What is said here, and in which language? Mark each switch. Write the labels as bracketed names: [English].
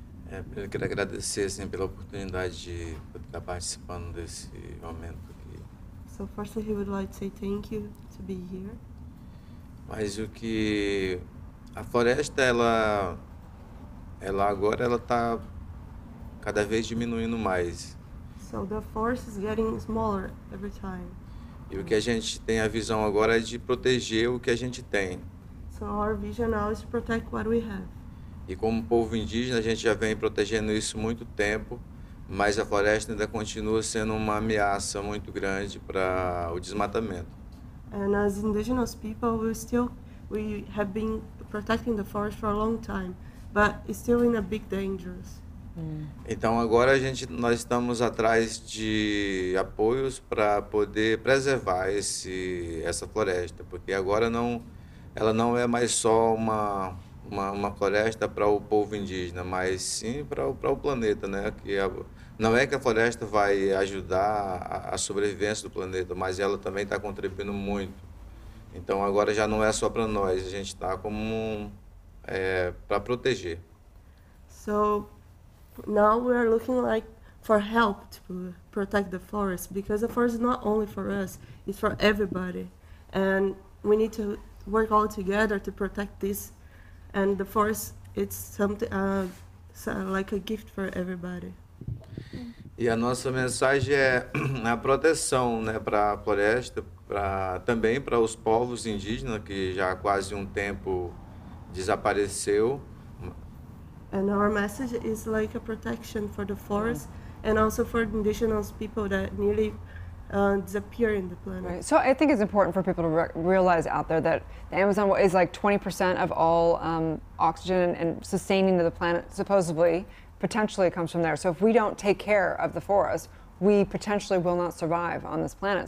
[Portuguese] Eu quero agradecer assim, pela oportunidade de poder estar participando desse momento aqui. [English] So first he would like to say thank you to be here. [Portuguese] Mas o que a floresta ela agora ela está cada vez diminuindo mais. [English] So the forest is getting smaller every time. [Portuguese] E o que a gente tem a visão agora é de proteger o que a gente tem. [English] So our vision now is to protect what we have. [Portuguese] E como povo indígena, a gente já vem protegendo isso muito tempo, mas a floresta ainda continua sendo uma ameaça muito grande para o desmatamento. [English] And as indigenous people, we have been protecting the forest for a long time, but it's still in a big danger. [Portuguese] Então agora nós estamos atrás de apoios para poder preservar essa floresta, porque agora ela não é mais só uma floresta para o povo indígena, mas sim para o planeta, né? Não é que a floresta vai ajudar a sobrevivência do planeta, mas ela também está contribuindo muito. Então agora já não é só para nós, a gente está como para proteger. [English] So now we are looking like for help to protect the forest, because the forest is not only for us, it's for everybody, and we need to work all together to protect this. And the forest, it's something like a gift for everybody. [Portuguese] E a nossa mensagem é a proteção, né, para a floresta, também para os povos indígenas que já há quase tempo desapareceu. [English] And our message is like a protection for the forest and also for the indigenous people that nearly disappear in the planet. Right. So I think it's important for people to realize out there that the Amazon is like 20% of all oxygen and sustaining to the planet, supposedly, potentially comes from there. So if we don't take care of the forest, we potentially will not survive on this planet.